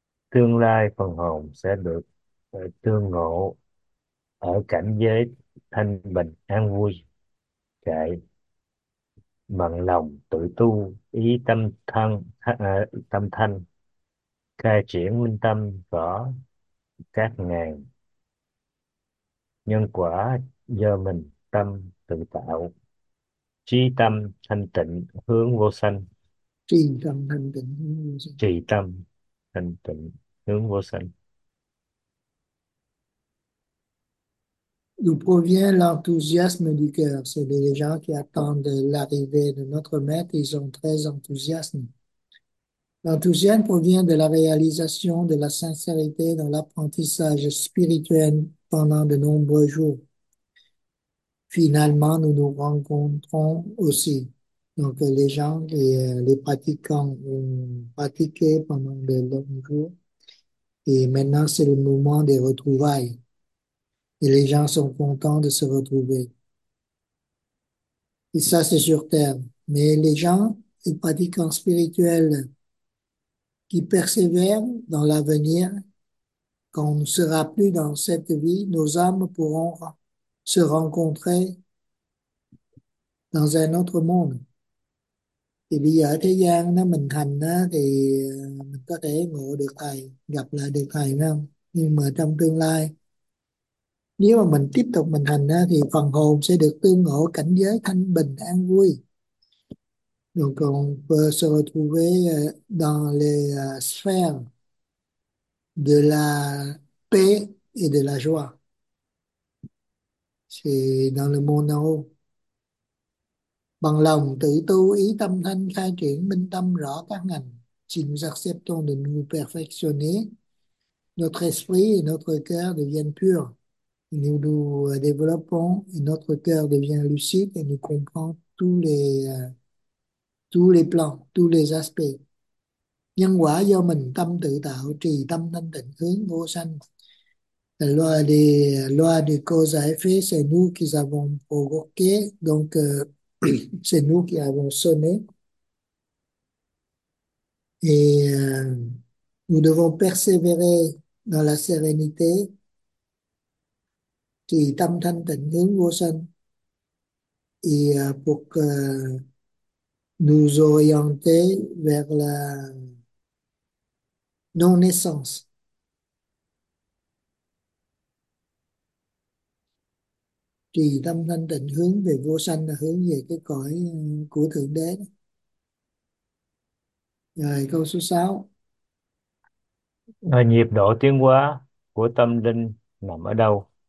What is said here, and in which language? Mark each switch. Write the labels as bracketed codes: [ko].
[vi] Tương lai phần hồn sẽ được tương ngộ ở cảnh giới thanh bình an vui, chạy bằng lòng tự tu, ý tâm thân tâm thanh, khai triển minh tâm rõ các ngàn nhân quả do mình tâm tự tạo, trí tâm thanh tịnh hướng vô sanh, Trì tâm thanh tịnh. trì tâm thanh tịnh hướng vô sanh. [fr] D'où provient l'enthousiasme du cœur? C'est les gens qui attendent l'arrivée de notre maître, ils sont très enthousiastes. L'enthousiasme provient de la réalisation de la sincérité dans l'apprentissage spirituel pendant de nombreux jours. Finalement, nous nous rencontrons aussi. Donc les gens et les pratiquants ont pratiqué pendant de longs jours et maintenant c'est le moment des retrouvailles et les gens sont contents de se retrouver. Et ça c'est sur Terre. Mais les gens, les pratiquants spirituels qui persévèrent dans l'avenir, quand on ne sera plus dans cette vie, nos âmes pourront se rencontrer dans un autre monde. [vi] Thì bây giờ ở thế gian nó mình thành á, thì mình có thể ngộ được thầy, gặp lại được thầy không? Nhưng mà trong tương lai, nếu mà mình tiếp tục mình thành á, thì phần hồn sẽ được tương ngộ cảnh giới thanh bình an vui. Rồi còn vừa [fr] se retrouver dans les sphères de la paix et de la joie. C'est dans le monde en haut. [vi] Bằng lòng tự tu ý tâm thanh khai triển minh tâm rõ các ngành. [fr] Si nous acceptons de nous perfectionner, notre esprit et notre cœur deviennent purs. Nous développons et notre cœur devient lucide et nous comprenons tous les plans, tous les aspects. [vi] Nhân quả do mình tâm tự tạo, trì tâm thanh tịnh, hướng vô sanh. [fr] Loi de cause à effet, c'est nous qui avons provoqué, donc c'est nous qui avons semé. Et nous devons persévérer dans la sérénité, [vi] trì tâm thanh tịnh, hướng vô sanh. [fr] Et pour que nous orienter vers la non-essence. [vi] Trì tâm thanh tịnh hướng về vô sanh là hướng về cái cõi của Thượng Đế đó. Rồi câu số 6. Nhịp độ tiến hóa của tâm linh nằm ở đâu?